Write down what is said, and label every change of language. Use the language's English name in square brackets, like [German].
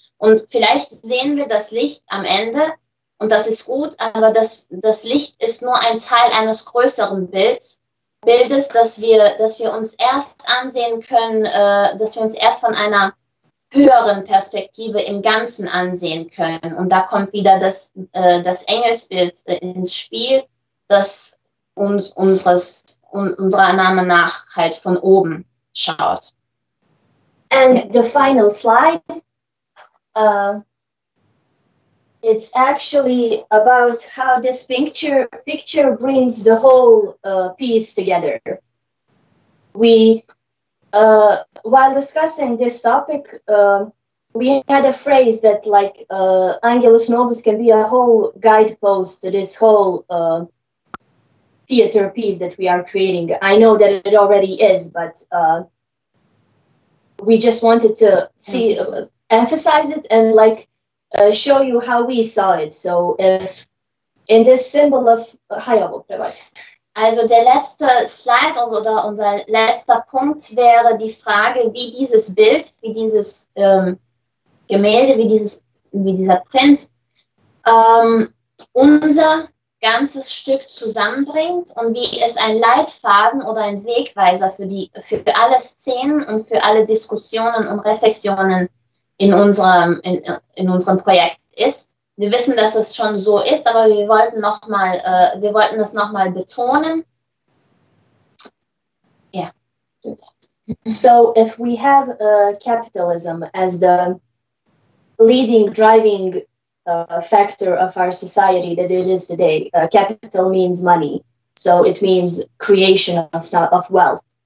[German] Und vielleicht sehen wir das Licht am Ende und das ist gut, aber das Licht ist nur ein Teil eines größeren Bildes, dass wir uns erst ansehen können, dass wir uns erst von einer höheren Perspektive im Ganzen ansehen können. Und da kommt wieder das Engelsbild ins Spiel, das uns unserer Annahme nach halt von oben schaut. [English] And the final slide, it's actually about how this picture brings the whole piece together. We, while discussing this topic, we had a phrase that like Angelus Novus can be a whole guidepost to this whole theater piece that we are creating. I know that it already is, but we just wanted to see, emphasize it and like show you how we saw it. So if in this symbol of [German] also der letzte Slide oder unser letzter Punkt wäre die Frage, wie dieses Bild, wie dieses Gemälde, wie dieser Print unser ganzes Stück zusammenbringt und wie es ein Leitfaden oder ein Wegweiser für alle Szenen und für alle Diskussionen und Reflexionen in unserem Projekt ist. Wir wissen, dass es schon so ist, aber wir wollten das nochmal betonen. Yeah. So if we have capitalism as the leading driving factor of our society that it is today. Capital means money, so it means creation of wealth.